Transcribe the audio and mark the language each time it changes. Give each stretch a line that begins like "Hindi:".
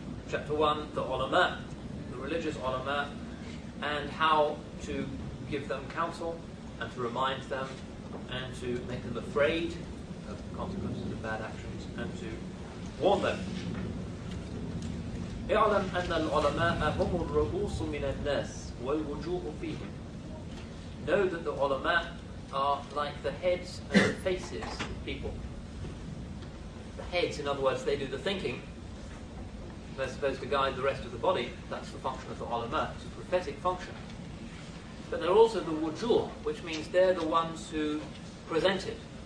English: Chapter 1, the ulama, the religious ulama, and how to give them counsel and to remind them and to make them afraid of the consequences of bad actions and to warn them.
Arabic: اعلم أن العلماء هم الرؤوس من الناس والوجوه فيهم.
English: Know that the ulama are like the heads and the faces of people. The heads, in other words, they do the thinking. They're supposed to guide the rest of the body. That's the function of the ulama. It's a prophetic function. But they're also the wujuh, which means they're the ones who present it.